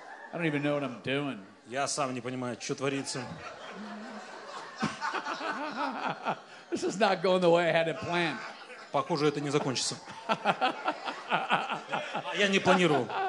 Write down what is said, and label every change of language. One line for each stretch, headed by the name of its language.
English: I don't even know what I'm doing.
Russian: Я сам не понимаю, что творится.
English: This is not going the way I had it planned.
Russian: Похоже, это не закончится. Я не планировал.